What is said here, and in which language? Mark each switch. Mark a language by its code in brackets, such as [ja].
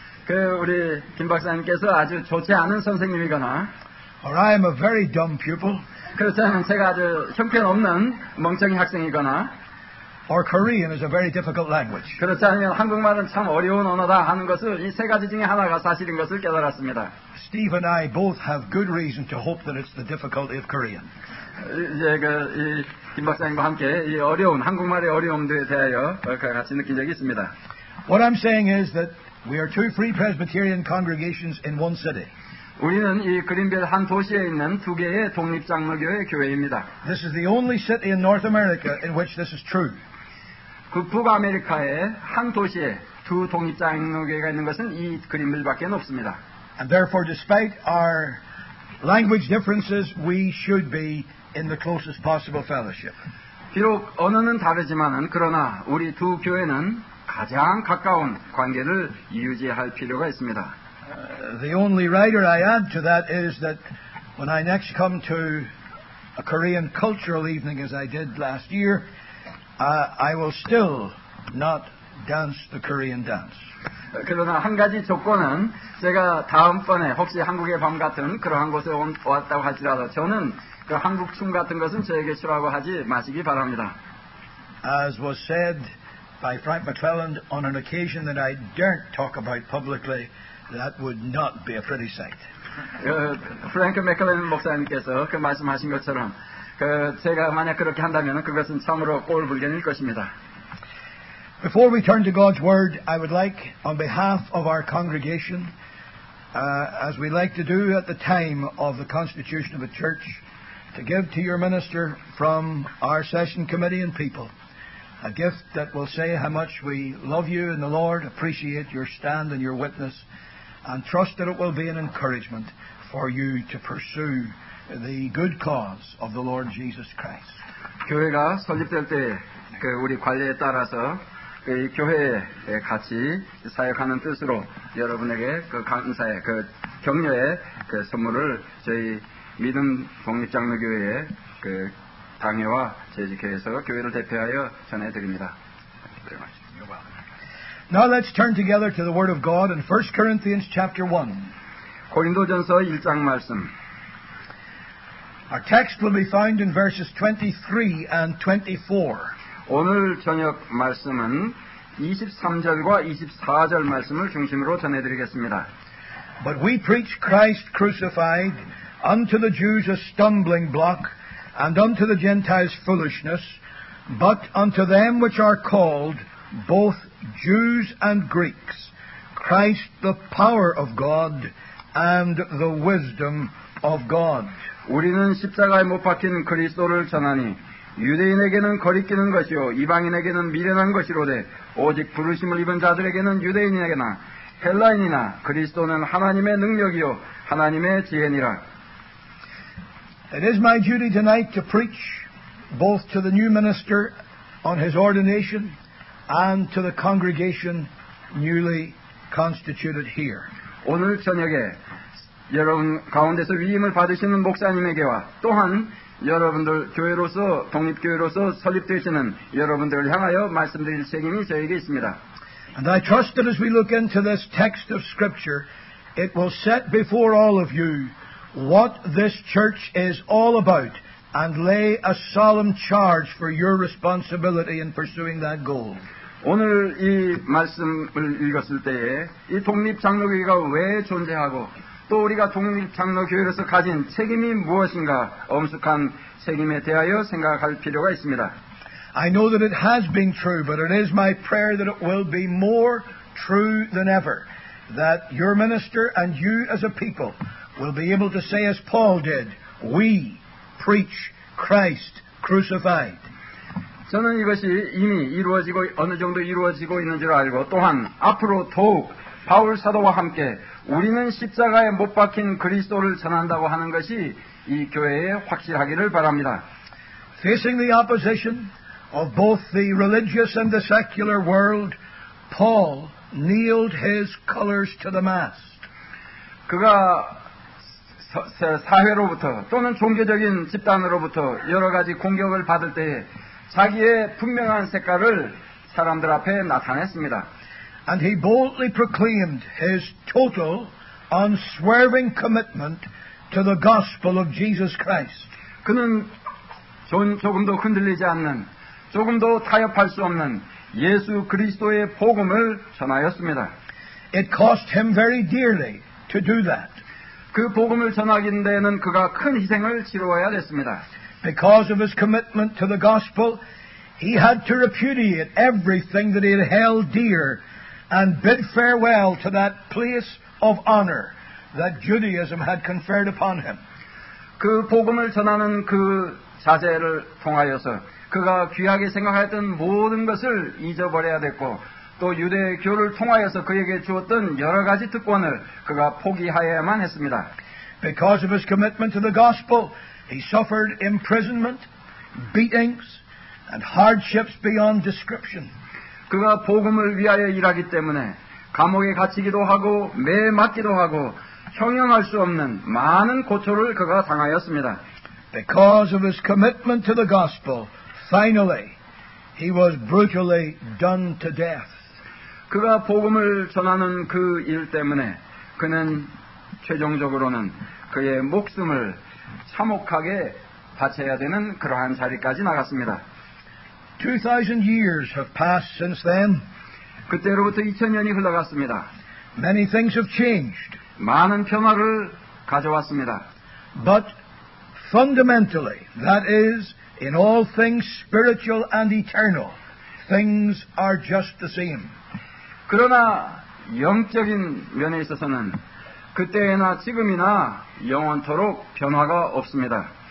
[ko] 그 우리 김 박사님께서 아주 좋지 않은 선생님이거나. [en] Or I am a very dumb pupil. [ko] 그렇다면 제가 아주 형편없는 멍청이 학생이거나. [en] Or Korean is a very difficult language. [ko] 그렇다면 한국말은 참 어려운 언어다 하는 것을 이 세 가지 중에 하나가 사실인 것을 깨달았습니다. [en] Steve and I both have good reason to hope that it's the difficulty of Korean. [ko] 이제 그 이 김 박사님과 함께 이 어려운 한국말의 어려움들에 대하여 같이 느낀 적이 있습니다. [en] What I'm saying is that we are two free Presbyterian congregations in one city. [ko] 우리는 이 그린빌 한 도시에 있는 두 개의 독립 장로교회 교회입니다. [en] This is the only city in North America in which this is true. [ko] 그 북 아메리카에 한 도시에 두 독립 장로교회가 있는 것은 이 그린빌밖에 없습니다. [en] And therefore, despite our language differences, we should be in the closest possible fellowship. [ko] 비록 언어는 다르지만은 그러나 우리 두 교회는 가장 가까운 관계를 유지할 필요가 있습니다. [en] The only rider I add to that is that when I next come to a Korean cultural evening as I did last year, I will still not dance the Korean dance. [ko] 그러나 한 가지 조건은 제가 다음번에 혹시 한국의 밤 같은 그러한 곳에 왔다고 하시라도 저는 그 한국 춤 같은 것은 저에게 추라고 하지 마시기 바랍니다. [en] As was said by Frank McClelland on an occasion that I daren't talk about publicly, that would not be a pretty sight. [ko] Frank McClelland 목사님께서 그 말씀하신 것처럼 그 제가 만약 그렇게 한다면 그것은 참으로 꼴불견일 것입니다. [en] Before we turn to God's Word, I would like, on behalf of our congregation, as we like to do at the time of the constitution of a church, to give to your minister from our session committee and people a gift that will say how much we love you in the Lord, appreciate your stand and your witness, and trust that it will be an encouragement for you to pursue the good cause of the Lord Jesus Christ. [ko] 교회가 설립될 때 그 우리 관례에 따라서 그 교회에 같이 사역하는 뜻으로 여러분에게 그 감사의 그 격려의 그 선물을 저희 믿음 독립장로교회의 그 당회와 저희 교회에서 교회를 대표하여 전해드립니다. [en] Now let's turn together to the Word of God in 1 Corinthians chapter 1. [ko] 고린도전서 1장 말씀. [en] Our text will be found in verses 23 and 24. [ko] 오늘 저녁 말씀은 23절과 24절 말씀을 중심으로 전해드리겠습니다. [en] But we preach Christ crucified, unto the Jews a stumbling block, and unto the Gentiles foolishness, but unto them which are called, both Jews and Greeks, Christ the power of God and the wisdom of God. [ko] 우리는 십자가에 못 박힌 그리스도를 전하니 유대인에게는 거리끼는 것이요 이방인에게는 미련한 것이로되 오직 부르심을 입은 자들에게는 유대인이나 헬라인이나 그리스도는 하나님의 능력이요 하나님의 지혜니라. [en] It is my duty tonight to preach both to the new minister on his ordination and to the congregation newly constituted here. [ko] 오늘 저녁에 여러분 가운데서 위임을 받으시는 목사님에게와 또한 여러분들 교회로서 독립교회로서 설립되시는 여러분들을 향하여 말씀드릴 책임이 저에게 있습니다. [en] And I trust that as we look into this text of Scripture, it will set before all of you what this church is all about and lay a solemn charge for your responsibility in pursuing that goal. [ko] 오늘 이 말씀을 읽었을 때에 이 독립장로교회가 왜 존재하고 또 우리가 독립장로교회로서 가진 책임이 무엇인가 엄숙한 책임에 대하여 생각할 필요가 있습니다. [en] I know that it has been true, but it is my prayer that it will be more true than ever that your minister and you as a people will be able to say as Paul did, we preach Christ crucified. [ko] 저는 이것이 이미 이루어지고 어느 정도 이루어지고 있는 줄 알고 또한 앞으로 더욱 바울 사도와 함께 우리는 십자가에 못 박힌 그리스도를 전한다고 하는 것이 이 교회에 확실하기를 바랍니다. [en] Facing the opposition of both the religious and the secular world, Paul nailed his colors to the mast. [ko] 그가 사회로부터 또는 종교적인 집단으로부터 여러 가지 공격을 받을 때에 자기의 분명한 색깔을 사람들 앞에 나타냈습니다. [en] And he boldly proclaimed his total, unswerving commitment to the gospel of Jesus Christ. [ko] 그는 조금도 흔들리지 않는, 조금도 타협할 수 없는 예수 그리스도의 복음을 전하였습니다. [en] It cost him very dearly to do that. [ko] 그 복음을 전하기 위해서는 그가 큰 희생을 치러야 됐습니다. [en] Because of his commitment to the gospel, he had to repudiate everything that he had held dear and bid farewell to that place of honor that Judaism had conferred upon him. [ko] 그 복음을 전하는 그 자제를 통하여서 그가 귀하게 생각했던 모든 것을 잊어버려야 됐고 또 유대교를 통하여서 그에게 주었던 여러 가지 특권을 그가 포기하여야만 했습니다. [en] Because of his commitment to the gospel, he suffered imprisonment, beatings, and hardships beyond description. [ko] 그가 복음을 위하여 일하기 때문에 감옥에 갇히기도 하고 매 맞기도 하고 형용할 수 없는 많은 고초를 그가 당하였습니다. [en] Because of his commitment to the gospel, finally, he was brutally done to death. [ko] 그가 복음을 전하는 그 일 때문에 그는 최종적으로는 그의 목숨을 참혹하게 바쳐야 되는 그러한 자리까지 나갔습니다. [en] 2,000 years have passed since then. [ko] 그때로부터 2,000년이 흘러갔습니다. [en] Many things have changed. [ko] 많은 변화를 가져왔습니다. [en] But fundamentally, that is, in all things spiritual and eternal, things are just the same. [ko] 그러나 영적인 면에 있어서는 그때나 지금이나 영원토록 변화가 없습니다.